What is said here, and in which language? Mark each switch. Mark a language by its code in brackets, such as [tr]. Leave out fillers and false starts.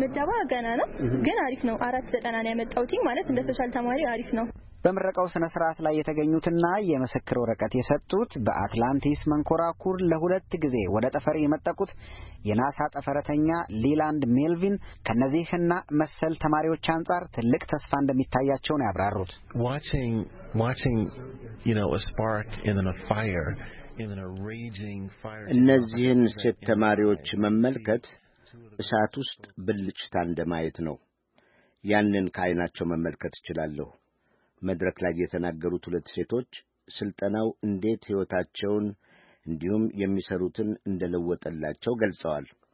[am] ምደባው። ገና ነው ግን አሪፍ ነው። 490 ነው ያመጣውቲ ማለት እንደ ሶሻል ተማሪ አሪፍ ነው። በመረቀው ስነ ስርዓት ላይ የተገኙትና የመስክር ወረቀት የሰጡት በአትላንቲስ መንኮራኩር ለሁለት ጊዜ ወደ ጠፈር የመጠቁት የናሳ ጠፈረተኛ ሊላንድ ሜልቪን ከነዚህና መሰል ተማሪዎች አንጻር ትልቅ ተስፋ እንደሚታያቸው ነው ያብራሩት። [en] watching you know a spark in a fire in a raging fire [am] እነዚህን ሴት ተማሪዎች መመልከት እሳት ውስጥ ብልጭታ እንደማየት ነው። ያንን ከአይናቸው መመልከት ይችላልው። መድረክ ላይ የተናገሩት ሁለት ሴቶች ስልጠናው እንዴት ህይወታቸውን እንዲሁም የሚሰሩትን እንደለወጠላቸው ገልጸዋል።